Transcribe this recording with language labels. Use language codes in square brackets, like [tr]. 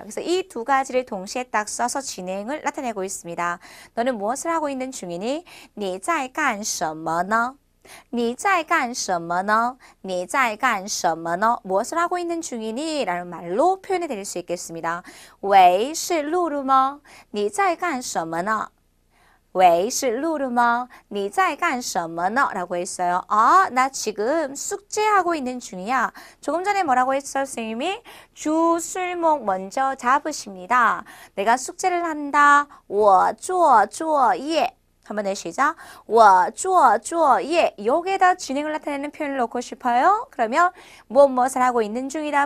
[ko] 그래서 이두 가지를 동시에 딱 써서 진행을 나타내고 있습니다. 너는 무엇을 하고 있는 중이니? [zh] 你在干什么呢?你在干什么呢? 你在干什么呢? [ko] 무엇을 하고 있는 중이니? 라는 말로 표현이 될수 있겠습니다. [zh] 喂,是露露吗?你在干什么呢? 喂,是露露吗?你在干什么呢? [ko] 라고 했어요. 나 지금 숙제하고 있는 중이야. 조금 전에 뭐라고 했어요, 선생님이? 주술목 먼저 잡으십니다. 내가 숙제를 한다. [zh] 我做作业. [ko] 한번 내쉬자. [zh] 我做作业. [ko] 여기에다 진행을 나타내는 표현을 넣고 싶어요. 그러면, 무엇무엇을 하고 있는 중이다.